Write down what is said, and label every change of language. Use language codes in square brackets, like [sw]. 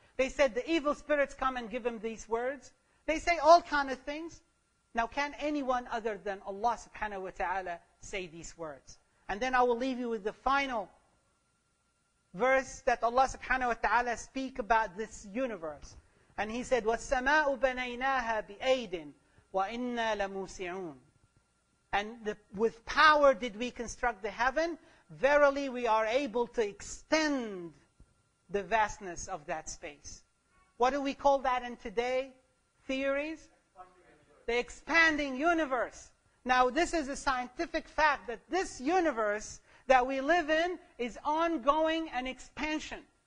[en] They said the evil spirits come and give him these words. They say all kind of things. Now, can anyone other than Allah subhanahu wa ta'ala say these words? And then I will leave you with the final verse that Allah subhanahu wa ta'ala speak about this universe. And he said, [ar] وَالسَّمَاءُ بَنَيْنَاهَا بِأَيْدٍ وَإِنَّا لَمُوسِعُونَ. [en] And with power did we construct the heaven. Verily, we are able to extend the vastness of that space. What do we call that in today? Theories? The expanding universe. Now, this is a scientific fact that this universe that we live in is ongoing and expansion.